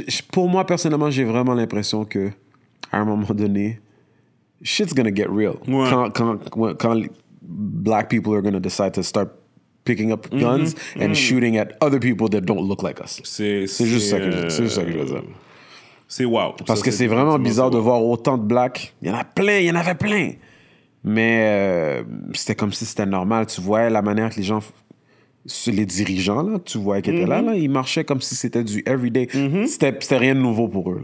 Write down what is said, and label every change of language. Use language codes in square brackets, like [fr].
[fr] Pour moi personnellement, j'ai vraiment l'impression que à un moment donné, [en] shit's gonna get real. [fr] Ouais. [en] Quand black people are gonna decide to start picking up guns and shooting at other people that don't look like us. [fr] C'est juste ça que je veux dire. C'est wow. Parce que c'est vraiment bizarre de voir autant de blacks. Il y en avait plein. Mais c'était comme si c'était normal. Tu vois la manière que les gens, les dirigeants, là, tu vois, qui étaient là, ils marchaient comme si c'était du everyday. Mm-hmm. C'était rien de nouveau pour eux.